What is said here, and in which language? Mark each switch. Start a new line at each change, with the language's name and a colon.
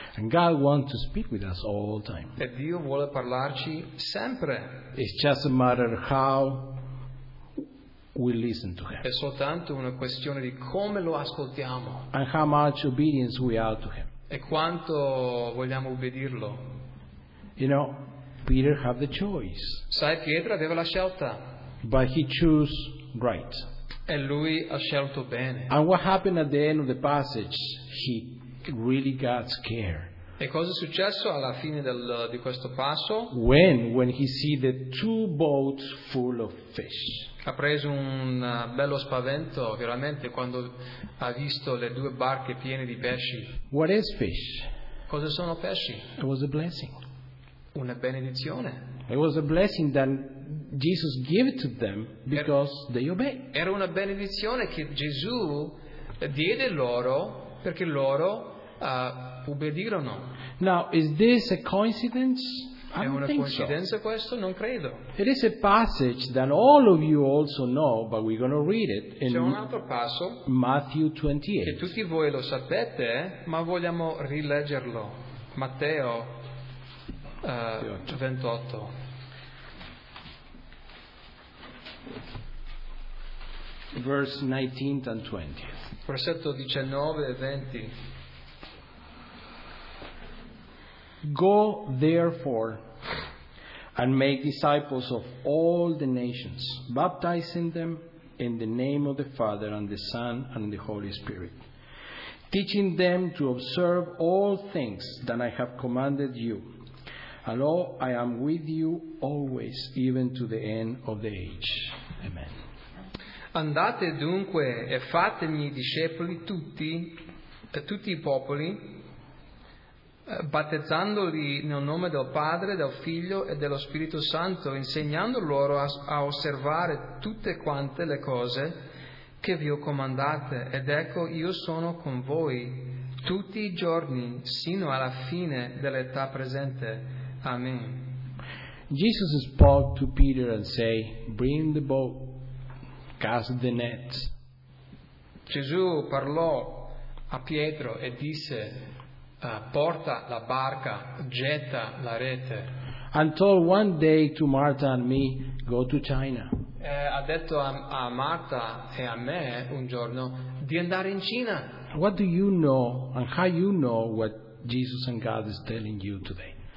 English: And God wants to speak with us all the time.
Italian: E Dio vuole parlarci sempre.
English: It's just a matter of how we listen to him.
Italian: È soltanto una questione di come lo ascoltiamo.
English: And how much obedience we are to him.
Italian: E quanto vogliamo obbedirlo.
English: You know, Peter had the choice.
Italian: Sai, Pietro aveva la scelta.
English: But he chose right.
Italian: E lui ha scelto bene.
English: And what happened at the end of the passage? He really got scared.
Italian: E cosa è successo alla fine di questo passo?
English: When he see the two boats full of fish.
Italian: Ha preso un bello spavento veramente quando ha visto le due barche piene di pesci.
English: What is fish?
Italian: Cosa sono pesci?
English: It was a blessing.
Italian: Una benedizione.
English: It was a blessing that Jesus gave to them because they obeyed.
Italian: Era una benedizione che Gesù diede loro perché loro ubbidirono.
English: Now, is this a coincidence?
Italian: È una coincidenza questo? Non credo.
English: It is a passage that all of you also know, but we're going to read it in Matthew 28.
Italian: Che tutti voi lo sapete, ma vogliamo rileggerlo. Matteo 28.
English: Verse 19 and 20.
Italian: Versetto 19 e 20.
English: Go therefore and make disciples of all the nations, baptizing them in the name of the Father and the Son and the Holy Spirit, teaching them to observe all things that I have commanded you. And lo, I am with you always, even to the end of the age. Amen.
Italian: Andate dunque e fatemi discepoli tutti i popoli, battezzandoli nel nome del Padre, del Figlio e dello Spirito Santo, insegnando loro a osservare tutte quante le cose che vi ho comandate. Ed ecco, io sono con voi tutti i giorni, sino alla fine dell'età presente. Amen.
English: Jesus spoke to Peter and say, bring the boat, cast the net.
Italian: Gesù parlò a Pietro e disse, porta la barca, getta la rete.
English: And told one day to Martha and me, go to China.
Italian: ha detto a Marta e a me un giorno di andare in Cina.
English: What do you know and how you know what Jesus and God is telling you today?